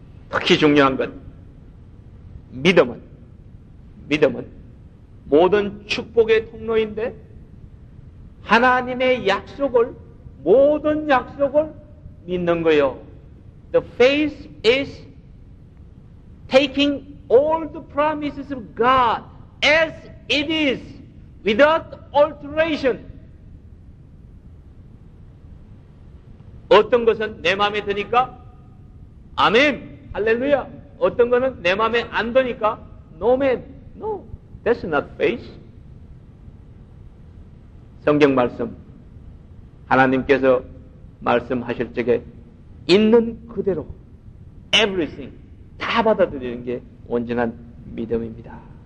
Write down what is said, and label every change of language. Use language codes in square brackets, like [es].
[ko] 특히 중요한 건 믿음은 믿음은 모든 축복의 통로인데 하나님의 약속을 모든 약속을 믿는 거예요. [en] The faith is taking all the promises of God as it is without alteration. [ko] 어떤 것은 내 마음에 드니까 아멘 할렐루야. 어떤 것은 내 마음에 안 드니까 [en] no man, no. That's not faith. [ko] 성경 말씀 하나님께서 말씀하실 적에 있는 그대로 everything 다 받아들이는 게 온전한 믿음입니다.